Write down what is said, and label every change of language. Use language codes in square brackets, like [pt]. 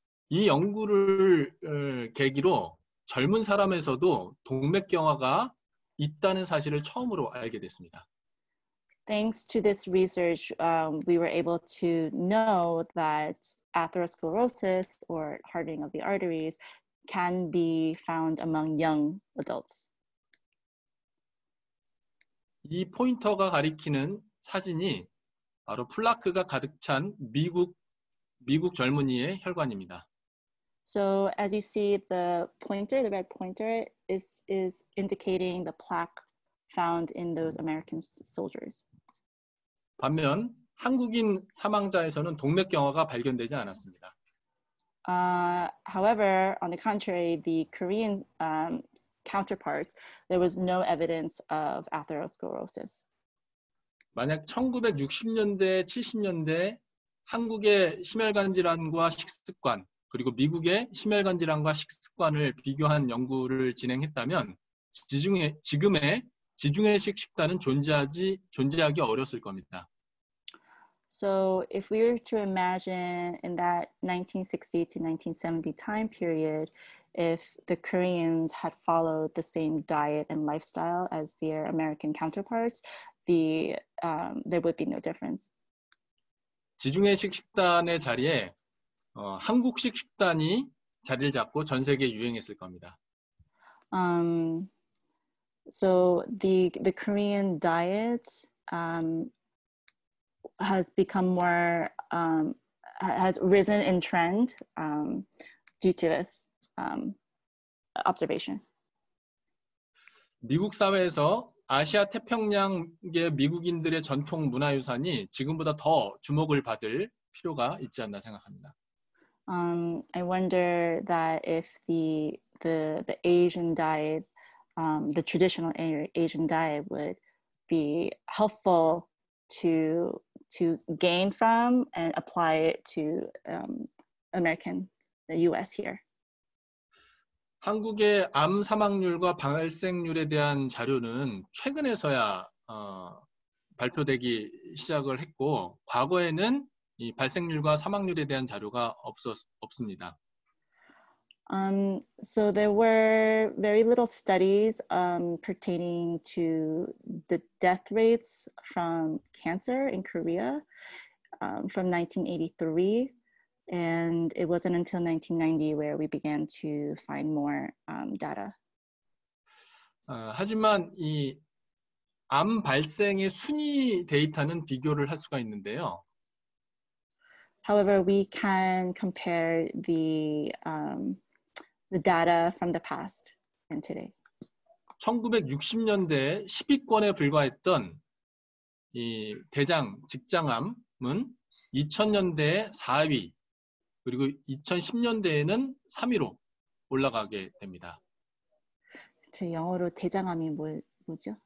[ko] 이 연구를 계기로 젊은 사람에서도 동맥경화가 있다는 사실을 처음으로 알게 됐습니다. [en] Thanks to this research, we were able to know that atherosclerosis or hardening of the arteries can be found among young adults. [ko] 이 포인터가 가리키는 사진이 바로 플라크가 가득 찬 미국 젊은이의 혈관입니다. [en] So as you see the pointer, the red pointer is indicating the plaque found in those American soldiers. [ko] 반면 한국인 사망자에서는 동맥경화가 발견되지 않았습니다. [en] However, on the contrary, the Korean counterparts, there was no evidence of atherosclerosis. [ko] 만약 1960년대, 70년대 한국의 심혈관 질환과 식습관 그리고 미국의 심혈관 질환과 식습관을 비교한 연구를 진행했다면 지금의 지중해식 식단은 존재하기 어려웠을 겁니다. [en] So if we were to imagine in that 1960 to 1970 time period, if the Koreans had followed the same diet and lifestyle as their American counterparts, there would be no difference. [ko] 지중해식 식단의 자리에 한국식 식단이 자리를 잡고 전 세계에 유행했을 겁니다. [en] So the Korean diet has become more has risen in trend due to this observation. [ko] 미국 사회에서 아시아 태평양계 미국인들의 전통 문화유산이 지금보다 더 주목을 받을 필요가 있지 않나 생각합니다. [en] I wonder that if the Asian diet, the traditional Asian diet would be helpful to gain from and apply it to American, the US here. [ko] 한국의 암 사망률과 발생률에 대한 자료는 최근에서야 발표되기 시작을 했고 과거에는 이 발생률과 사망률에 대한 자료가 없습니다. [en] So there were very little studies pertaining to the death rates from cancer in Korea from 1983, and it wasn't until 1990 where we began to find more data. [ko] 하지만 이 암 발생의 순위 데이터는 비교를 할 수가 있는데요. [en] However, we can compare the data from the past and today. [ko] 1960년대 10위권에 불과했던 이 대장 직장암은 2000년대에 4위, 그리고 2010년대에는 3위로 올라가게 됩니다. 제 영어로 대장암이 뭐죠?